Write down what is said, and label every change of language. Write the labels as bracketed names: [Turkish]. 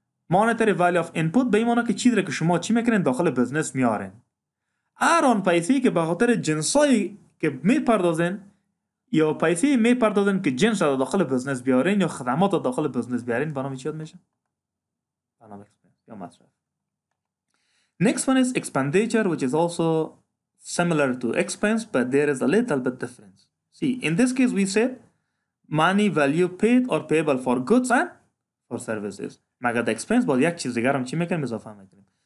[English] Monetary value of input [Persian] به این معنی که چیزی که شما چی میکنین داخل بزنس میارین. هر آن پیسی که به خاطر جنسایی که میپردازین یا پیسی میپردازین که جنس را داخل بزنس بیارین یا خدمات را داخل بزنس بیارین به نامی چی یاد میشه؟ به نام اکسپنس یا مصرف. [English] Next one is expenditure, which is also similar to expense, but there is a little bit difference. See, in this case we said money value paid or payable for goods and for services. [Persian] مگر در expense باید یک چیز دیگر هم چی میکنیم اضافه میکنیم.